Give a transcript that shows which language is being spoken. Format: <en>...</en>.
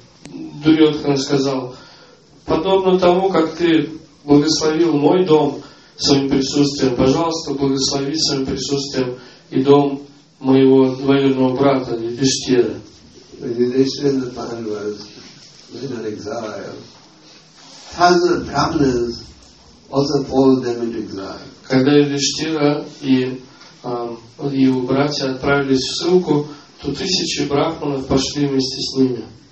<ru>Дурьотхана сказал, подобно тому, как ты благословил мой дом своим присутствием, пожалуйста, благослови своим присутствием и дом моего двоюродного брата Юдиштхира.</ru> <en>Yudhishthira in the Pandavas was in an exile. Thousands of Brahmins also followed them into exile.</en> <ru>Когда Юдиштхира и его братья отправились в ссылку, то тысячи брахманов пошли вместе с ними.</ru>